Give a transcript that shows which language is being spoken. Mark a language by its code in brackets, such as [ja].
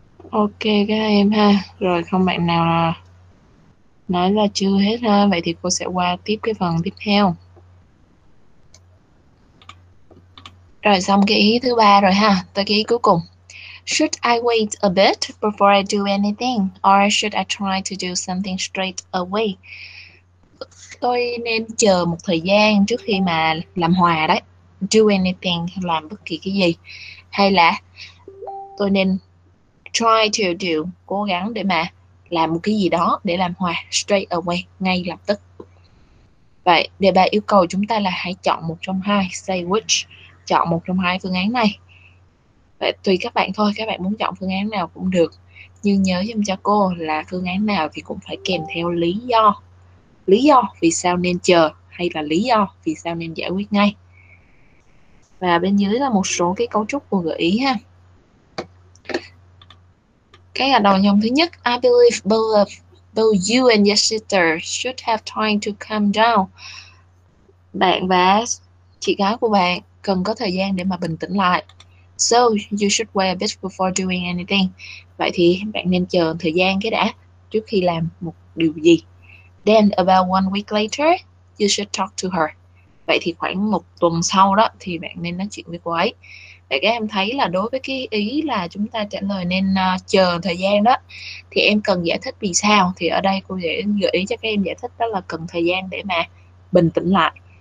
[vi] Ok các em ha. Rồi không bạn nào nói là chưa hết ha. Vậy thì cô sẽ qua tiếp cái phần tiếp theo. Rồi xong cái ý thứ ba rồi ha. Tới cái ý cuối cùng. [en] Should I wait a bit before I do anything? Or should I try to do something straight away? [vi] Tôi nên chờ một thời gian trước khi mà làm hòa đấy. [en] Do anything, [vi] làm bất kỳ cái gì. Hay là tôi nên [en] try to do, [vi] cố gắng để mà làm một cái gì đó để làm hòa [en] straight away, [vi] ngay lập tức. Vậy đề bài yêu cầu chúng ta là hãy chọn một trong hai, [en] say which, [vi] chọn một trong hai phương án này. Vậy tùy các bạn thôi, các bạn muốn chọn phương án nào cũng được. Nhưng nhớ giùm cho cô là phương án nào thì cũng phải kèm theo lý do. Lý do vì sao nên chờ hay là lý do vì sao nên giải quyết ngay. Và bên dưới là một số cái cấu trúc của gợi ý ha. Cái là đầu dòng thứ nhất, [en] I believe both you and your sister should have time to calm down. [vi] Bạn và chị gái của bạn cần có thời gian để mà bình tĩnh lại. [en] So you should wait a bit before doing anything. [vi] Vậy thì bạn nên chờ thời gian cái đã trước khi làm một điều gì. [en] Then about one week later, you should talk to her. [vi] Vậy thì khoảng một tuần sau đó thì bạn nên nói chuyện với cô ấy. Vậy các em thấy là đối với cái ý là chúng ta trả lời nên chờ thời gian đó, thì em cần giải thích vì sao. Thì ở đây cô sẽ gợi ý cho các em giải thích đó là cần thời gian để mà bình tĩnh lại.